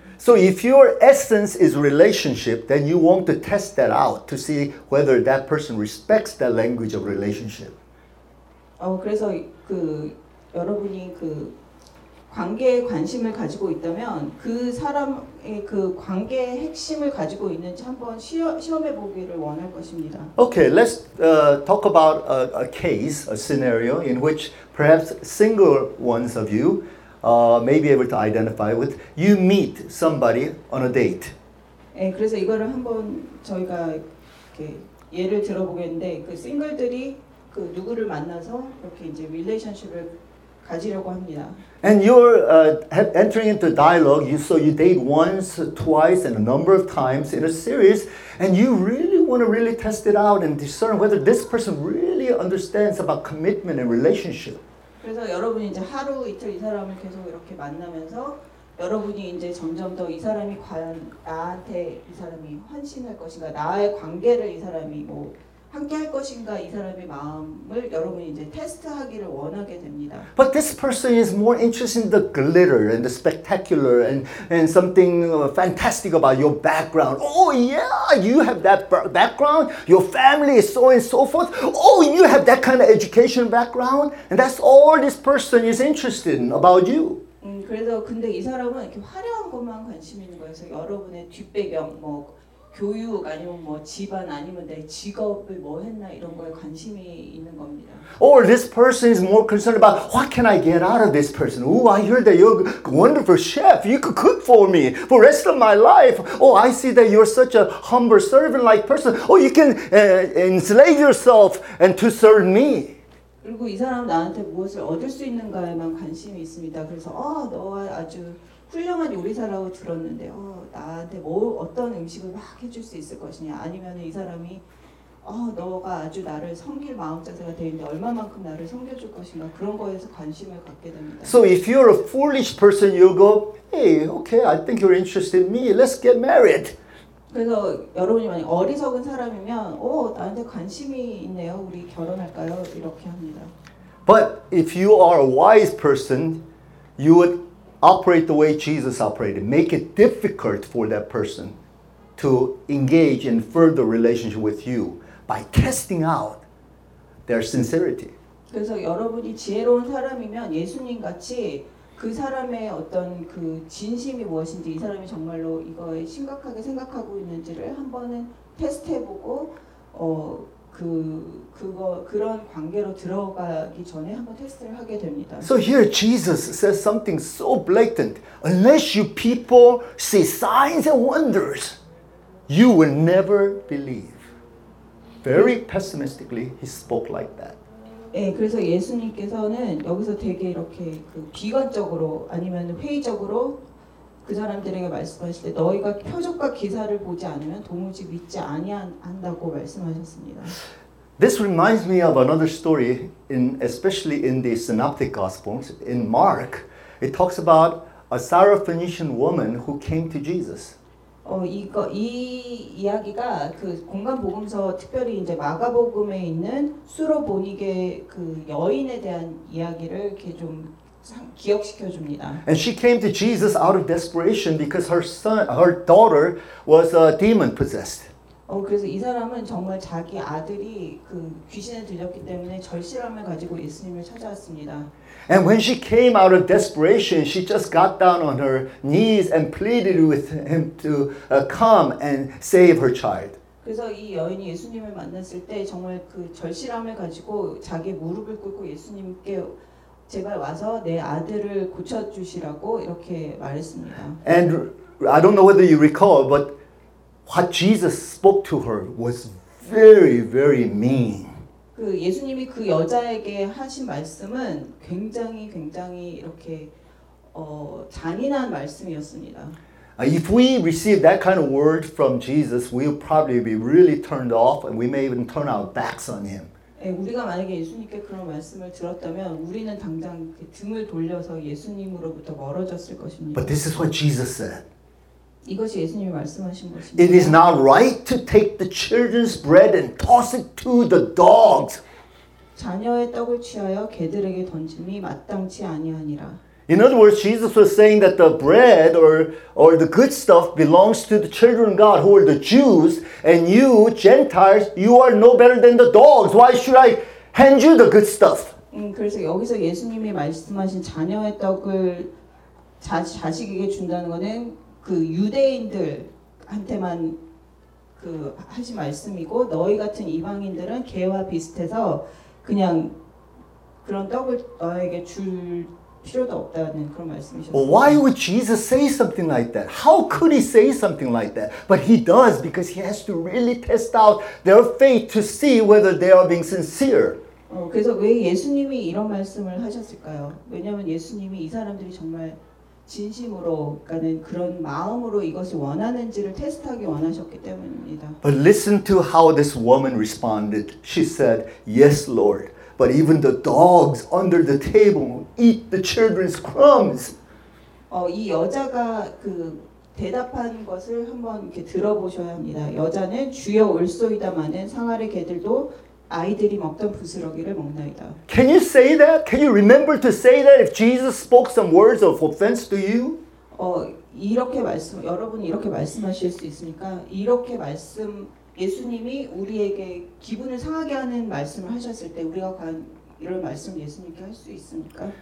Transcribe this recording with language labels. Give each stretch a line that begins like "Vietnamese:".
English: So if your essence is relationship, then you want to test that out to see whether that person respects that language of relationship.
Korean: 그래서 여러분이 관계에 관심을 가지고 있다면 그 사람의 그 관계의 핵심을 가지고 있는지 한번 시험해 보기를 원할 것입니다.
English: Okay, let's talk about a case, a scenario in which perhaps single ones of you may be able to identify with. You meet somebody on a date.
Korean: 예, 그래서 이거를 한번 저희가 이렇게 예를 들어보겠는데 그 싱글들이 그 누구를 만나서 이렇게 이제 릴레이션십을 가지려고 합니다.
English: And you're entering into dialogue. You date once, twice, and a number of times in a series, and you really want to really test it out and discern whether this person really understands about commitment and relationship.
Korean: 그래서 여러분이 이제 하루 이틀 이 사람을 계속 이렇게 만나면서 여러분이 이제 점점 더 이 사람이 과연 나한테 이 사람이 헌신할 것인가 나의 관계를 이 사람이 뭐 함께 할 것인가 이 사람의 마음을 여러분이 이제 테스트하기를 원하게 됩니다.
English: But this person is more interested in the glitter and the spectacular and something fantastic about your background. Oh yeah, you have that background. Your family is so and so forth. Oh, you have that kind of education background. And that's all this person is interested in about you.
Korean: 그래서 근데 이 사람은 이렇게 화려한 것만 관심 있는 거예요. 그래서 여러분의 뒷배경 뭐 교육 아니면 뭐 집안 아니면 내 직업을 뭐 했나 이런 거에 관심이 있는 겁니다.
English: Or this person is more concerned about what can I get out of this person? Oh, I heard that you're a wonderful chef. You could cook for me for the rest of my life. Oh, I see that you're such a humble servant-like person. Oh, you can enslave yourself and to serve me.
Korean: 그리고 이 사람 나한테 무엇을 얻을 수 있는가에만 관심이 있습니다. 그래서 너와 아주 훌륭한 요리사라고 들었는데 나한테 뭐 어떤 음식을 막 해줄 수 있을 것이냐 아니면 이 사람이 너가 아주 나를 섬길 마음 자세가 되는데 얼마만큼 나를 섬겨줄 것인가 그런 거에서 관심을 갖게 됩니다.
English: So if you're a foolish person, you go, hey, okay, I think you're interested in me. Let's get married.
Korean: 그래서 여러분이 만약 어리석은 사람이면 나한테 관심이 있네요. 우리 결혼할까요? 이렇게 합니다.
English: But if you are a wise person, you would operate the way Jesus operated. Make it difficult for that person to engage in further relationship with you by testing out their sincerity.
Korean: 그래서 여러분이 지혜로운 사람이면 예수님 같이 그 사람의 어떤 그 진심이 무엇인지 이 사람이 정말로 이거에 심각하게 생각하고 있는지를 한번은 테스트해보고 그런 관계로 들어가기 전에 한번 테스트를 하게 됩니다.
English: So here Jesus says something so blatant. Unless you people see signs and wonders, you will never believe. Very pessimistically, he spoke like that.
Korean: 예, 그래서 예수님께서는 여기서 되게 이렇게 그 비관적으로 아니면 회의적으로 그 사람들에게 말씀하실 때 너희가 표적과 기사를 보지 않으면 도무지 믿지 아니한다고 말씀하셨습니다.
English: This reminds me of another story, especially in the Synoptic Gospels. In Mark, it talks about a Syrophoenician woman who came to Jesus.
Korean: 이 이야기가 그 공간 복음서 특별히 이제 마가복음에 있는 수로보니게 그 여인에 대한 이야기를 이렇게 좀 기억시켜 줍니다.
English: And she came to Jesus out of desperation because her daughter was demon possessed.
Korean: 그래서 이 사람은 정말 자기 아들이 그 귀신에 들렸기 때문에 절실함을 가지고 예수님을 찾아왔습니다.
English: And when she came out of desperation, she just got down on her knees and pleaded with him to come and save her child.
Korean: 그래서 이 여인이 예수님을 만났을 때 정말 그 절실함을 가지고 자기 무릎을 꿇고 예수님께 제발 와서 내 아들을 고쳐주시라고 이렇게 말했습니다.
English: And I don't know whether you recall, but what Jesus spoke to her was very, very mean.
Korean: 그 예수님이 그 여자에게 하신 말씀은 굉장히, 굉장히 이렇게 잔인한 말씀이었습니다.
English: If we receive that kind of word from Jesus, we'll probably be really turned off, and we may even turn our backs on him.
Korean: 예, 우리가 만약에 예수님께 그런 말씀을 들었다면 우리는 당장 등을 돌려서 예수님으로부터 멀어졌을 것입니다.
English: But this is what Jesus said.
Korean: 이것이 예수님이 말씀하신 것입니다.
English: It is not right to take the children's bread and toss it to the dogs.
Korean: 자녀의 떡을 취하여 개들에게 던짐이 마땅치 아니하니라.
English: In other words, Jesus was saying that the bread or the good stuff belongs to the children of God, who are the Jews, and you Gentiles, you are no better than the dogs. Why should I hand you the good stuff?
Korean: 그래서 여기서 예수님이 말씀하신 자녀의 떡을 자식에게 준다는 것은 그 유대인들한테만 그 하신 말씀이고 너희 같은 이방인들은 개와 비슷해서 그냥 그런 떡을 너에게 줄 필요도 없다는 그런 말씀이셨어요.
English: Why would Jesus say something like that? How could he say something like that? But he does because he has to really test out their faith to see whether they are being sincere.
Korean: 그래서 왜 예수님이 이런 말씀을 하셨을까요? 왜냐하면 예수님이 이 사람들이 정말 진심으로, 그러니까는 그런 마음으로 이것을 원하는지를 테스트하기 원하셨기 때문입니다.
English: But listen to how this woman responded. She said, "Yes, Lord." But even the dogs under the table eat the children's crumbs.
Korean: 이 여자가 그 대답한 것을 한번 이렇게 들어보셔야 합니다. 여자는 주여 올소이다마는 상아래 개들도 아이들이 먹던 부스러기를 먹나이다.
English: Can you say that? Can you remember to say that if Jesus spoke some words of offense to you?
Korean: 이렇게 말씀 여러분 이렇게 말씀하실 수 있습니까? 이렇게 말씀 예수님이 우리에게 기분을 상하게 하는 말씀을 하셨을 때 우리가 과연 이런 말씀 예수님께 할 수 있습니까?